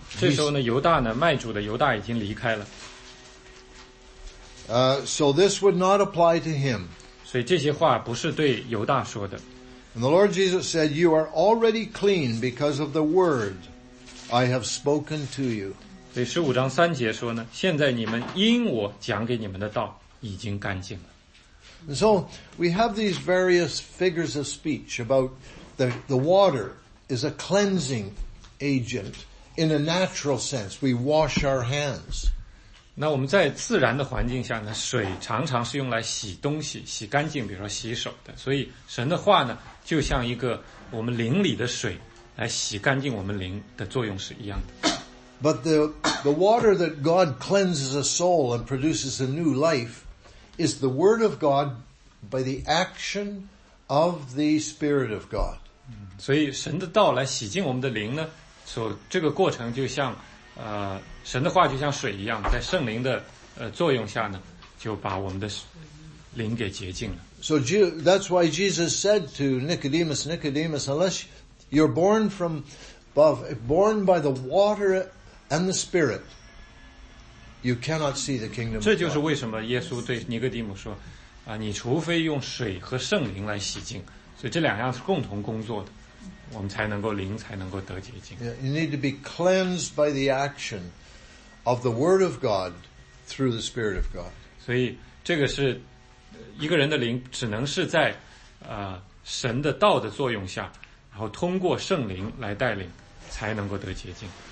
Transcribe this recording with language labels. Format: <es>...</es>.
<zh>这时候呢, 犹大呢, 卖主的犹大已经离开了。</zh> <en>So this would not apply to him. And the Lord Jesus said, you are already clean because of the word I have spoken to you.</en> <zh>所以15章3节说呢, 现在你们因我讲给你们的道已经干净了。</zh> <en>So we have these various figures of speech about the water is a cleansing agent in a natural sense. We wash our hands.</en> <zh>那我们在自然的环境下呢, 水常常是用来洗东西,洗干净, 比如说洗手的。所以神的话呢, 就像一个我们灵里的水来洗干净我们灵的作用是一样的。</zh> <en>But the water that God cleanses a soul and produces a new life is the Word of God by the action of the Spirit of God.</en> <zh>所以神的道来洗净我们的灵呢, 所这个过程就像, 神的话就像水一样, 在圣灵的, 作用下呢, 就把我们的灵给洁净了。</zh> <en>So that's why Jesus said to Nicodemus, Nicodemus, unless you're born from above, born by the water and the Spirit, you cannot see the kingdom of God.</en> <zh>这就是为什么耶稣对尼哥底母说, 啊, 你除非用水和圣灵来洗净, 所以这两样是共同工作的, 我们才能够灵, 才能够得洁净。</zh> <en>Yeah, you need to be cleansed by the action of the Word of God through the Spirit of God.</en> <zh>所以这个是一个人的灵只能是在, 神的道的作用下, 然后通过圣灵来带领, 才能够得洁净。</zh>